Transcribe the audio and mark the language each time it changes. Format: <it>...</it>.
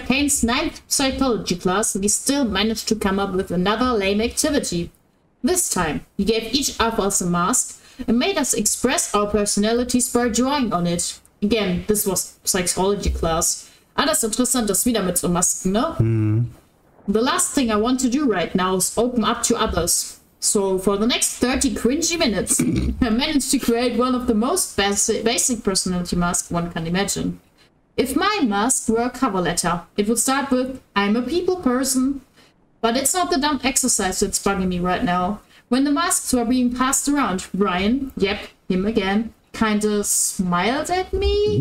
<en>Kane's 9th psychology class and he still managed to come up with another lame activity. This time, he gave each of us a mask and made us express our personalities by drawing on it. Again, this was psychology class.</en> <de>Ah, das ist interessant, das wieder mit so Masken, ne? Mm.</de> <en>The last thing I want to do right now is open up to others. So, for the next 30 cringy minutes, I managed to create one of the most basic personality masks one can imagine. If my mask were a cover letter, it would start with, I'm a people person. But it's not the dumb exercise that's bugging me right now. When the masks were being passed around, Brian, yep, him again, kinda smiled at me.</en>